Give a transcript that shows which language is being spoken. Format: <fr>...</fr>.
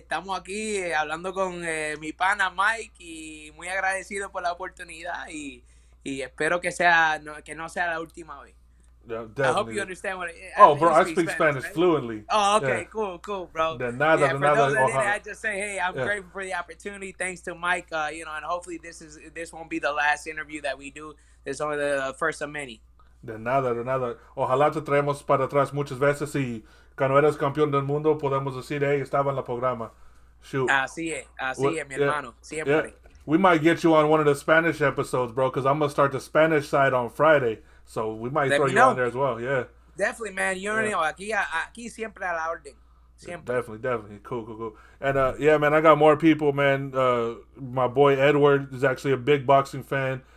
<es>Estamos aquí hablando con mi pana Mike y muy agradecido por la oportunidad y espero que sea no, que no sea la última vez.</es> <en>Yeah, definitely. I hope you understand what it is. Oh, bro, I speak Spanish right? Fluently. Oh, okay, yeah. cool, bro. I just say, hey, I'm grateful for the opportunity. Thanks to Mike, you know, and hopefully this won't be the last interview that we do. It's only the first of many.</en> <es>De nada. Ojalá te traemos para atrás muchas veces y cuando eres campeón del mundo, podemos decir, hey, estaba en el programa.</es> <en>Shoot.</en> <es>Así es, mi hermano. Siempre. Yeah.</es> <en>We might get you on one of the Spanish episodes, bro, because I'm going to start the Spanish side on Friday. So we might throw you on there as well. Yeah. Definitely, man. You already know.</en> <es>Aquí siempre a la orden. Siempre.</es> <en>Definitely. Cool. And, yeah, man, I got more people, man. My boy Edward is actually a big boxing fan.</en>